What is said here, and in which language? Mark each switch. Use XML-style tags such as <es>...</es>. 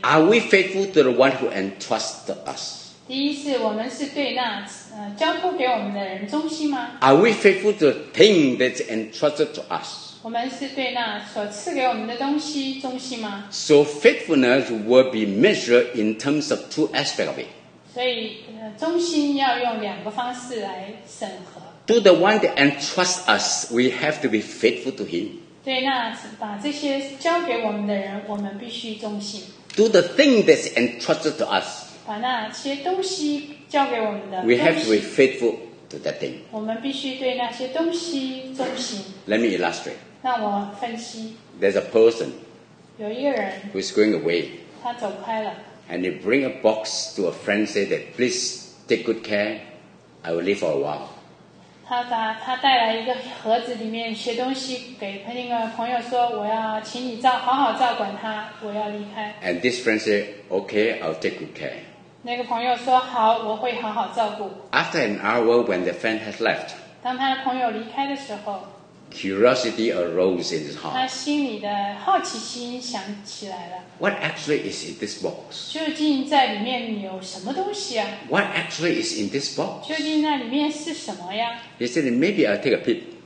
<en>Are we faithful to the one who entrusted us?</en> <zh>第一是我们是对那交付给我们的人忠心吗?</zh> <en>Are we faithful to the thing that's entrusted to us?</en> <zh>我们是对那所赐给我们的东西忠心吗?</zh> <en>So faithfulness will be measured in terms of two aspects of it.</en> <zh>所以忠心要用两个方式来审核。</zh> <en>To the one that entrusts us, we have to be faithful to him.</en> <zh>对那把这些交给我们的人，我们必须忠心。</zh> <en>To the thing that's entrusted to us,</en> <zh>把那些东西交给我们的东西。</zh> <en>We have to be faithful. To that thing.</en> <zh>我们必须对那些东西忠心。</zh> <en>Let me illustrate.</en> <zh>让我分析。</zh> <en>There's a person.</en> <zh>有一个人。</zh> <en>Who is going away.</en> <zh>他走开了。</zh> <en>And they bring a box to a friend, say that please take good care. I will leave for a while.</en> <zh>他带来一个盒子，里面写东西给那个朋友说，我要请你好好照管他，我要离开。</zh> <en>And this friend say, okay, I'll take good care.</en> <zh>那个朋友说好，我会好好照顾。</zh> <en>After an hour when the friend has left,</en> <zh>当他的朋友离开的时候，</zh> <en>curiosity arose in his heart.</en> <zh>他心里的好奇心想起来了。</zh> <en>What actually is in this box?</en> <zh>究竟在里面有什么东西啊？</zh> <en>What actually is in this box?</en> <zh>究竟那里面是什么呀？</zh> <en>He said, maybe I'll take a peek.</en>